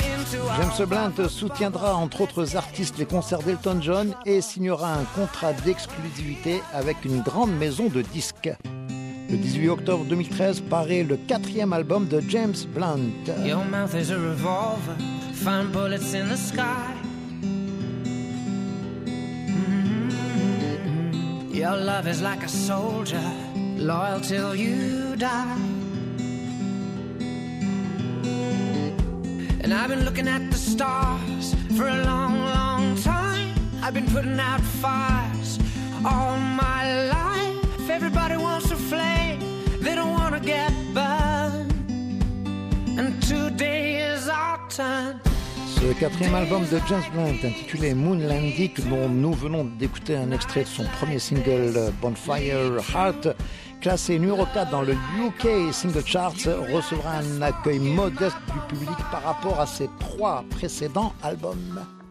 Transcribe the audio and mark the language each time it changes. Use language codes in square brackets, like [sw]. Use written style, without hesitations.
[fr] James Blunt soutiendra entre autres artistes les concerts d'Elton John et signera un contrat d'exclusivité avec une grande maison de disques. Le 18 octobre 2013 paraît le quatrième album de James Blunt. [en] Your mouth is a revolver, find bullets in the sky. Your love is like a soldier, loyal till you die. And I've been looking at the stars for a long, long time. I've been putting out fires all my life. Everybody wants a flame, they don't want to get burned. And today is our turn. [fr] Ce quatrième album de James Blunt intitulé Moonlandic, dont nous venons d'écouter un extrait de son premier single Bonfire Heart, classé numéro 4 dans le UK Single Charts, recevra un accueil modeste du public par rapport à ses trois précédents albums.